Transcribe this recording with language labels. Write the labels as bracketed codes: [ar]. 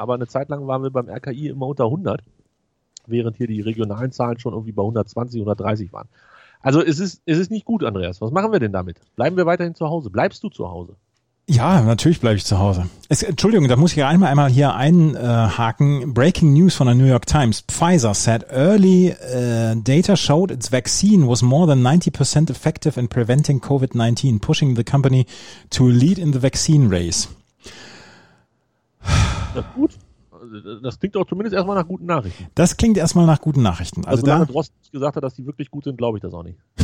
[de] Aber eine Zeit lang waren wir beim RKI immer unter 100. Während hier die regionalen Zahlen schon irgendwie bei 120, 130 waren. Also es ist nicht gut, Andreas. Was machen wir denn damit? Bleiben wir weiterhin zu Hause? Bleibst du zu Hause? Ja, natürlich bleibe ich zu Hause. Entschuldigung, da muss ich einmal hier einhaken. Breaking News von der New York Times. [en] Pfizer said early data showed its vaccine was more than 90% effective in preventing COVID-19, pushing the company to lead in the vaccine race. [de] Na gut. Das klingt doch zumindest erstmal nach guten Nachrichten. Das klingt erstmal nach guten Nachrichten. Also solange Drosten nicht gesagt hat, dass die wirklich gut sind, glaube ich das auch nicht.